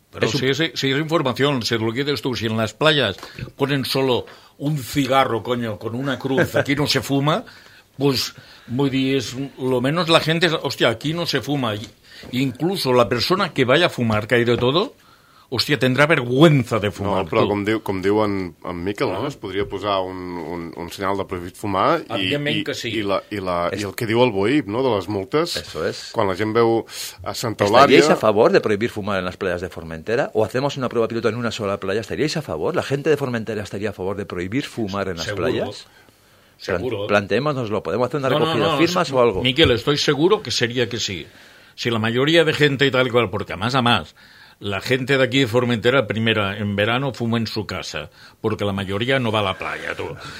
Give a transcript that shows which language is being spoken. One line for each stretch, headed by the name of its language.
Spanish: pero si es información, si lo quieres tú, si en las playas ponen solo un cigarro, coño, con una cruz, aquí no se fuma, pues muy bien, lo menos la gente, hostia, aquí no se fuma. Incluso la persona que vaya a fumar, que hay de todo, hostia, tendrá vergüenza de fumar.
Catalan: No, però com diu en Miquel, no? Es podria posar un senyal de prohibit fumar. Evidentment que sí. I el que diu el BOIF, no?, de les multes.
Spanish: Eso es.
Catalan: Quan la gent veu a Santa Eulària...
Spanish: ¿Estaríais a favor de prohibir fumar en las playas de Formentera? ¿O hacemos una prueba piloto en una sola playa? ¿Estaríais a favor? ¿La gente de Formentera estaría a favor de prohibir fumar en las playas? Seguro. Planteémonoslo, ¿podemos hacer una recogida de firmas o algo? Miquel, estoy seguro que sería que sí. Si la mayoría de gente y tal y cual, porque a más, la gente de aquí de Formentera, primera, en verano fuma en su casa, porque la mayoría no va a la playa, tú.